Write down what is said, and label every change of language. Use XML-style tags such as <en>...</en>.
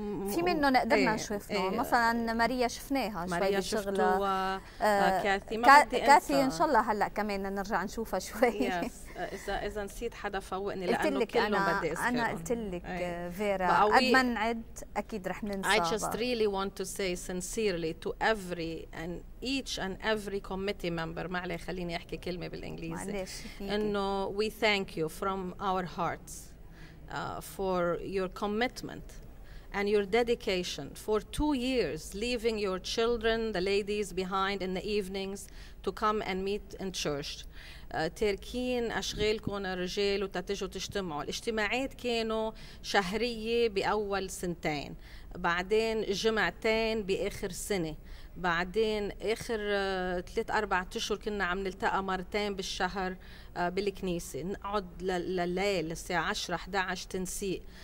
<ar>في منه نقدرنا نشوفنا. مثلا ماريا شفناها شوي بالشغلة، كاثي إن شاء الله هلأ كمان نرجع نشوفها شوي. إذا نسيت حدا فوقني لأنه كلهم بدي أذكرهم. أنا قلت لك فيرا قد ما نعد أكيد رح ننصابها.</ar> <en>I just really want to say sincerely to every and each and every committee member،</en> <ar>ما عليه خليني أحكي كلمة بالإنجليزي، إنه</ar> <en>we thank you from our hearts for your commitment and your dedication for 2 years leaving your children the ladies behind in the evenings to come and meet in church.</en> <ar>تركين أشغالكم الرجال وتتجوا تجتمعوا. الاجتماعات كانوا شهرية بأول سنتين، بعدين جمعتين بآخر سنة، بعدين آخر 3-4 أشهر كنا عم نلتقى مرتين بالشهر بالكنيسة، نقعد لليل الساعة 10-11 تنسيق.</ar>